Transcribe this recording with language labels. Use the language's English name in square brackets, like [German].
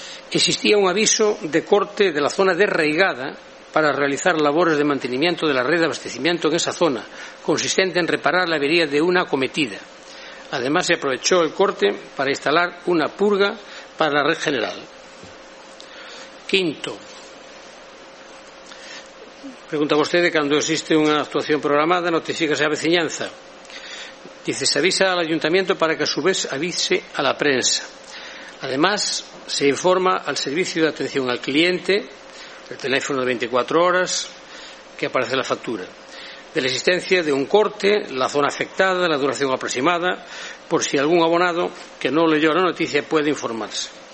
[Spanish] Existía un aviso de corte de la zona de Reigada para realizar labores de mantenimiento de la red de abastecimiento en esa zona, consistente en reparar la avería de una acometida. Además, se aprovechó el corte para instalar una purga para la red general. Quinto, [Galician] Pregunta vostede, cando existe unha actuación programada, notifícase a veciñanza. [Spanish] Dice, se avisa al ayuntamiento para que a su vez avise a la prensa. Además, se informa al servicio de atención al cliente, el teléfono de 24 horas, que aparece la factura, de la existencia de un corte, la zona afectada, la duración aproximada, por si algún abonado que no leyó la noticia puede informarse.